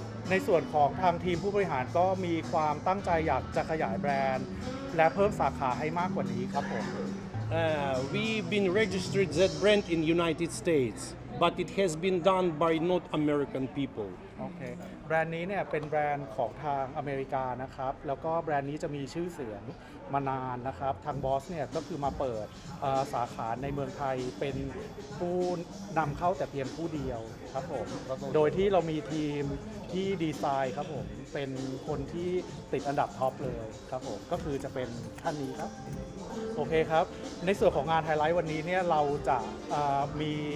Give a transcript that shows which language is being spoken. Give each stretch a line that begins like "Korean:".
Thai: ในส่วนของทางทีมผู้บริหารก็มีความตั้งใจอยากจะขยายแบรนด์และเพิ่มสาขาให้มากกว่านี้ครับผม
English: We've been registered that brand in United States, but it has been done by not American people. Okay.
Thai: แบรนด์นี้เนี่ยเป็นแบรนด์ของทางอเมริกานะครับแล้วก็แบรนด์นี้จะมีชื่อเสียงมานานนะครับทางบอสเนี่ยก็คือมาเปิดสาขาในเมืองไทยเป็นผู้นำเข้าแต่เพียงผู้เดียวครับผมโดยที่เรามีทีมที่ดีไซน์ครับผมเป็นคนที่ติดอันดับท็อปเลยครับผมก็คือจะเป็นท่านนี้ครับโอเคครับในส่วนของงานไฮไลท์วันนี้เนี่ยเราจะมี